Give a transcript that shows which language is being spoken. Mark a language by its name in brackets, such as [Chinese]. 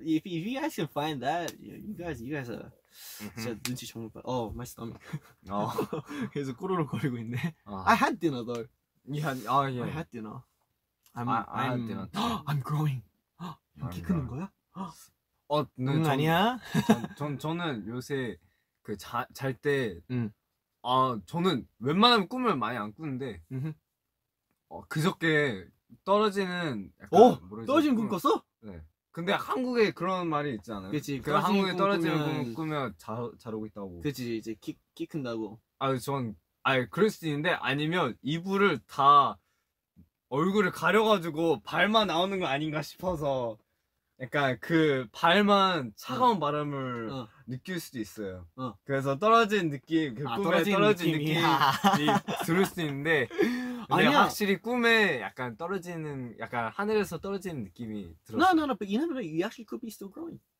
[English] If you guys can find that, you guys are. [Korean] 진짜 눈치 정말 빨. [English] Oh, my stomach. [Korean] 계속 꼬르륵거리고 있네. [English] I had dinner though. Yeah, oh yeah. I had dinner. I'm growing. [Korean] 키 크는 거야? 눈 아니야? 저는 요새 그 잘 때. 저는 웬만하면 꿈을 많이 안 꾸는데. 그저께 떨어지는. 떨어진 꿈 꿨어? 네. 근데 한국에 그런 말이 있지 않아요? 그치. 그 한국에 떨어지는 꿈을 꾸면 잘 오고 있다고. 그치. 이제 키 큰다고. 아니 그럴 수 있는데, 아니면 이불을 다 얼굴을 가려가지고 발만 나오는 거 아닌가 싶어서 약간 그 발만 차가운 바람을 느낄 수도 있어요. 그래서 떨어진 느낌, 그 꿈에 떨어진 느낌이 들을 수도 있는데. 아니야, 확실히 꿈에 약간 떨어지는, 약간 하늘에서 떨어지는 느낌이 들었어. [English] No, but you never know. You actually could be still growing.